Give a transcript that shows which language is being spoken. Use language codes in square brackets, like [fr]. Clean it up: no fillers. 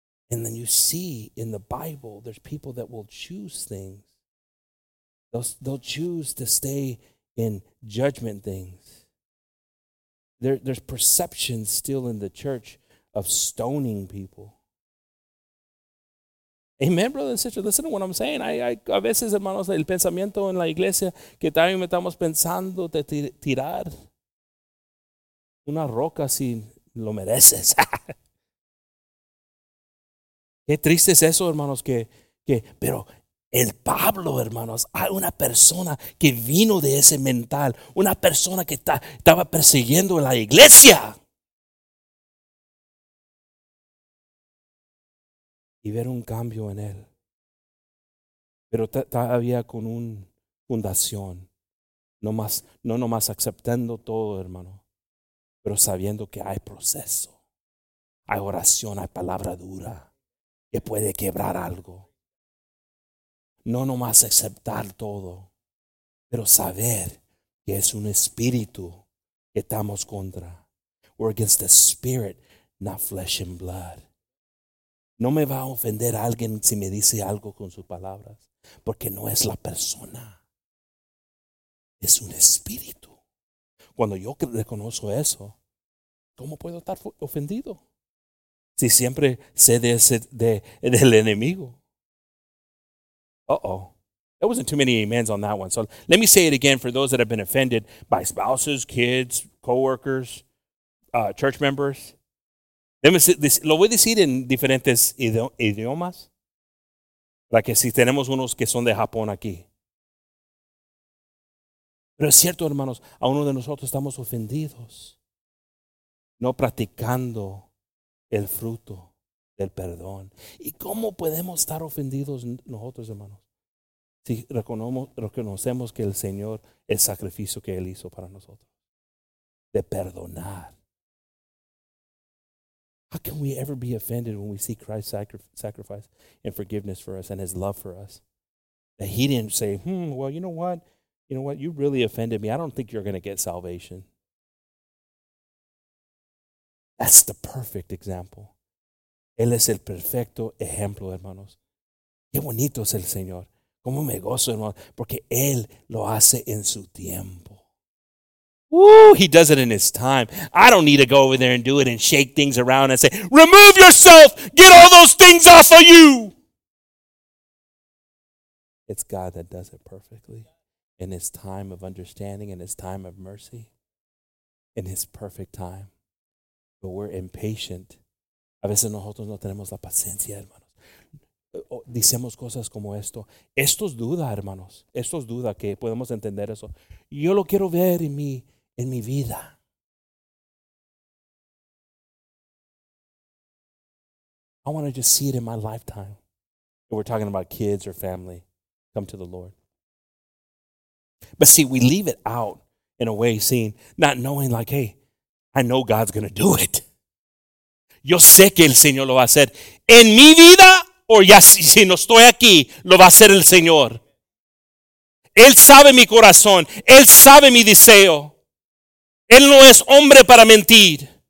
[en] And then you see in the Bible, there's people that will choose things. They'll choose to stay in judgment things. There's perceptions still in the church of stoning people. Amen, brother and sister. Listen to what I'm saying. [es] I a veces, hermanos, el pensamiento en la iglesia que también me estamos pensando de tirar una roca si lo mereces. Qué triste es eso, hermanos, que pero El Pablo, hermanos, hay una persona que vino de ese mental, una persona que estaba persiguiendo la iglesia. Y ver un cambio en él. Pero todavía con una fundación, no nomás aceptando todo, hermano, pero sabiendo que hay proceso, hay oración, hay palabra dura que puede quebrar algo. No nomás aceptar todo, pero saber que es un espíritu que estamos contra. We're against the spirit, not flesh and blood. No me va a ofender a alguien si me dice algo con sus palabras, porque no es la persona, es un espíritu. Cuando yo reconozco eso, ¿cómo puedo estar ofendido? Si siempre sé de ese, del enemigo. [en] Uh-oh, there wasn't too many amens on that one. So let me say it again for those that have been offended by spouses, kids, coworkers, church members. [es] Lo voy a decir en diferentes idiomas. Para que si tenemos unos que son de Japón aquí. Pero es cierto, hermanos, a uno de nosotros estamos ofendidos. No practicando el fruto del perdón. ¿Y cómo podemos estar ofendidos nosotros, hermanos? Si reconocemos que el Señor, el sacrificio que Él hizo para nosotros, de perdonar. [en] How can we ever be offended when we see Christ's sacrifice and forgiveness for us and his love for us? That he didn't say, well, you know what? You know what? You really offended me. I don't think you're going to get salvation. That's the perfect example. [es] Él es el perfecto ejemplo, hermanos. Qué bonito es el Señor. Cómo me gozo, hermanos. Porque Él lo hace en su tiempo. [en] Woo, he does it in his time. I don't need to go over there and do it and shake things around and say, remove yourself. Get all those things off of you. It's God that does it perfectly in his time of understanding, in his time of mercy, in his perfect time. But we're impatient. [es] A veces nosotros no tenemos la paciencia, hermanos. Decimos cosas como esto. Esto es duda, hermanos. Esto es duda que podemos entender eso. Yo lo quiero ver en mí. En mi vida. [en] I want to just see it in my lifetime. If we're talking about kids or family, come to the Lord. But see, we leave it out in a way, seeing, not knowing like, hey, I know God's going to do it. [es] Yo sé que el Señor lo va a hacer. En mi vida, o ya si no estoy aquí, lo va a hacer el Señor. Él sabe mi corazón. Él sabe mi deseo. Él no es hombre para mentir.